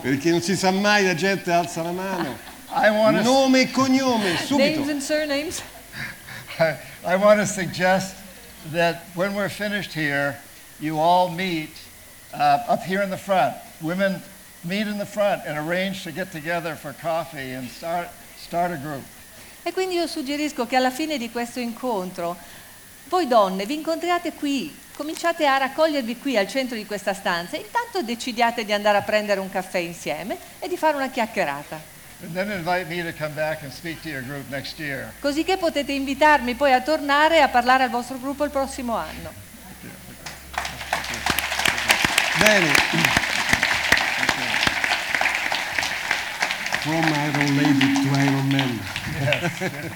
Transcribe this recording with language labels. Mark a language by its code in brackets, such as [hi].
[it] perché non si sa mai, la gente alza la mano. Nome e cognome, subito. [en] Names and surnames. I want to suggest that when we're finished here, you all meet up here in the front. Women meet in the front and arrange to get together for coffee and start a group. [it] E quindi io suggerisco che alla fine di questo incontro voi donne vi incontriate qui, cominciate a raccogliervi qui al centro di questa stanza, intanto decidiate di andare a prendere un caffè insieme e di fare una chiacchierata. [en] And then invite me to come back and speak to your group next year. [it] Così che potete invitarmi poi a tornare a parlare al vostro gruppo il prossimo anno. Bene. [en] From Iron Lady to Iron Man. Yes.